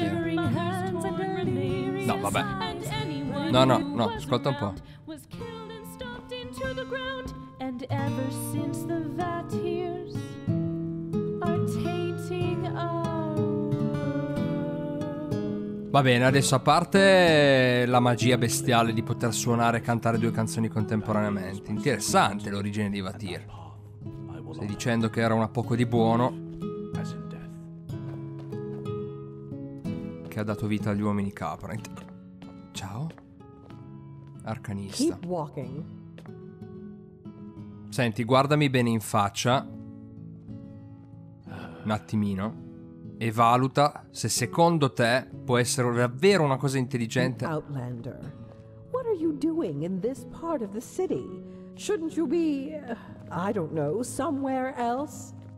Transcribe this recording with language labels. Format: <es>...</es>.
<en>nearing hands and delirious.</en> <it>No, vabbè. No, no, no, ascolta un po'.</it> <en>Was killed and stomped into the ground, and ever since the Vatirs are tainting our world.</en> <it>Va bene, adesso a parte la magia bestiale di poter suonare e cantare due canzoni contemporaneamente. Interessante l'origine di Vatir. Stai dicendo che era una poco di buono che ha dato vita agli uomini capra. Ciao arcanista.</it> <en>Keep walking.</en> <it>Senti, guardami bene in faccia un attimino e valuta se secondo te può essere davvero una cosa intelligente.</it> <en>Outlander, what are you doing in this part of the city? Shouldn't you be, I don't know, somewhere else?</en>